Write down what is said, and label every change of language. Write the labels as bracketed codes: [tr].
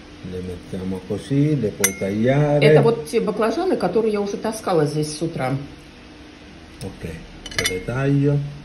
[it] Le mettiamo così, le puoi tagliare. [ru] Это вот те баклажаны, которые я уже таскала здесь с утра. [it] Окей. Le taglio.